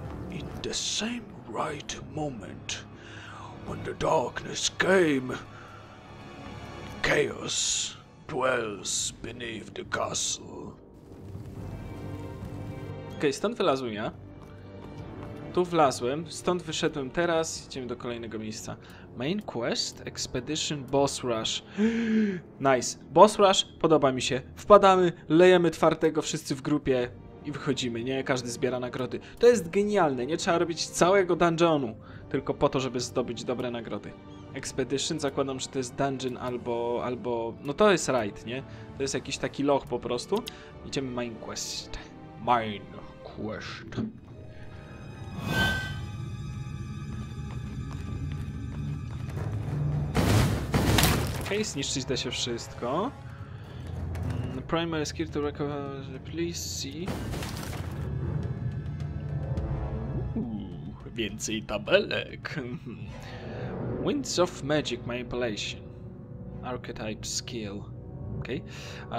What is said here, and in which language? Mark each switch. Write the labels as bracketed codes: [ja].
[en] In the same right moment, when the darkness came, chaos dwells beneath the castle. [pl] Okej, stąd wylazłem ja. Tu wlazłem, stąd wyszedłem teraz, idziemy do kolejnego miejsca. [en] Main Quest, Expedition, Boss Rush. Nice. [pl] Boss Rush, podoba mi się. Wpadamy, lejemy twardego wszyscy w grupie i wychodzimy, nie? Każdy zbiera nagrody. To jest genialne, nie trzeba robić całego dungeonu, tylko po to, żeby zdobyć dobre nagrody. Expedition, zakładam, że to jest dungeon albo... No to jest raid, nie? To jest jakiś taki loch po prostu. Idziemy Main Quest. [en] Main Quest. [pl] Okej, okay, zniszczyć da się wszystko. [en] Primary skill to recover, please see. [pl] Więcej tabelek. [en] Winds of magic manipulation. Archetype skill. Okej. Okay.